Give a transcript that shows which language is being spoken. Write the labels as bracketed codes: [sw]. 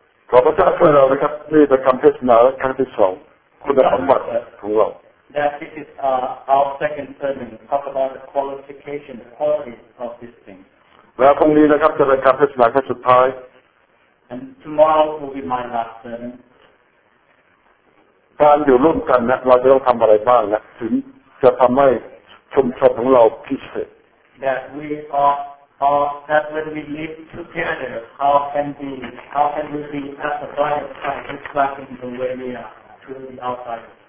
[th] ขอพระเจ้าช่วยเรานะครับนี่เป็นคำเทศนาครั้งที่สองคุณสมบัติของเรา [en] That this is our second sermon. Talk about the qualification, the quality of this thing. [th] Well, พรุ่งนี้นะครับจะเป็นการพิจารณาครั้งสุดท้าย [en] And tomorrow will be my last sermon. [th] การอยู่ร่วมกันนะเราจะต้องทำอะไรบ้างนะถึงจะทำให้ชุมชนของเราพิเศษ [en] That we are that when we live together, how can we be as a body of Christ, just like in the way we are to the outside.